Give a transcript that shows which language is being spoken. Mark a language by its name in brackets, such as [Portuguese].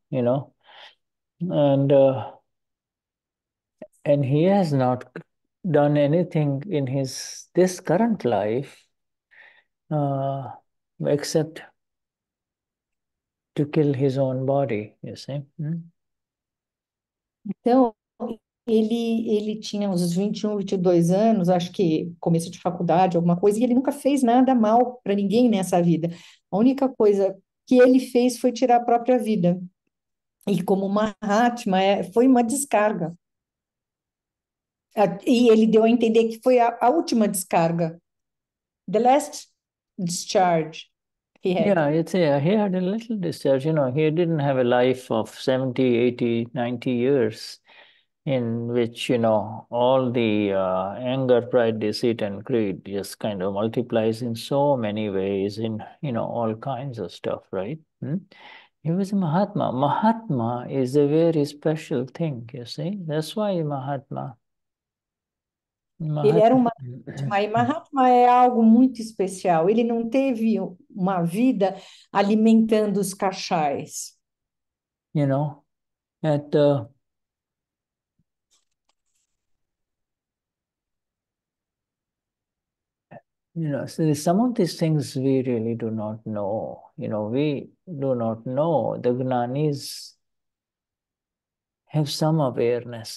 [English] You know, and he has not done anything in this current life except to kill his own body, you see. [Portuguese] Então, ele tinha uns 21, 22 anos, acho que começo de faculdade, alguma coisa, e ele nunca fez nada mal para ninguém nessa vida. A única coisa que ele fez foi tirar a própria vida. E como Mahatma, foi uma descarga. E ele deu a entender que foi a última descarga. [English] The last discharge he had. Yeah, it's a, he had a little discharge. You know, he didn't have a life of 70, 80, 90 years in which, you know, all the anger, pride, deceit, and greed just kind of multiplies in so many ways in, you know, all kinds of stuff, right? He was a Mahatma. Mahatma is a very special thing, you see. That's why Mahatma. [Portuguese] Ele era um Mahatma. Mahatma, e Mahatma é algo muito especial. Ele não teve uma vida alimentando os cachais. [English] You know, you know, so some of these things we really do not know. You know, we do not know. The Gnanis have some awareness.